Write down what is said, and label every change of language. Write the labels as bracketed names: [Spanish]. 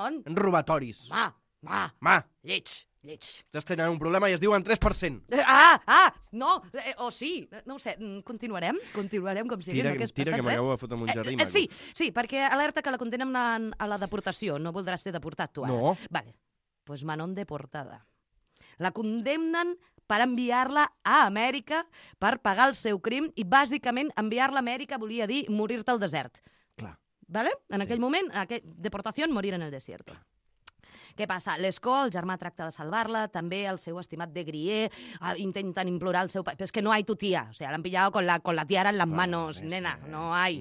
[Catalan] En robatoris. Va. Lleig. Estàs tenint un problema i es diuen 3%. No, o sí. No ho sé, continuarem com si tira, no hagués tira, Que m'acabo de fotre amb un jardí. Sí, perquè alerta que la condemnen a la deportació. No voldràs ser deportat tu ara. No. [Spanish] Vale, pues Manon deportada. [Catalan] La condemnen per enviar-la a Amèrica per pagar el seu crim i, bàsicament, enviar-la a Amèrica volia dir morir-te al desert. Clar. ¿Vale? En sí. aquell moment, deportació, morir en el desert. Clar. Què passa? L'Escó, el germà, tracta de salvar-la, també el seu estimat de Grier, intenten implorar el seu pare. Però és que no hi ha tu tia, [Spanish] o sea, l'han pillado con la tiara en las manos, nena, no hay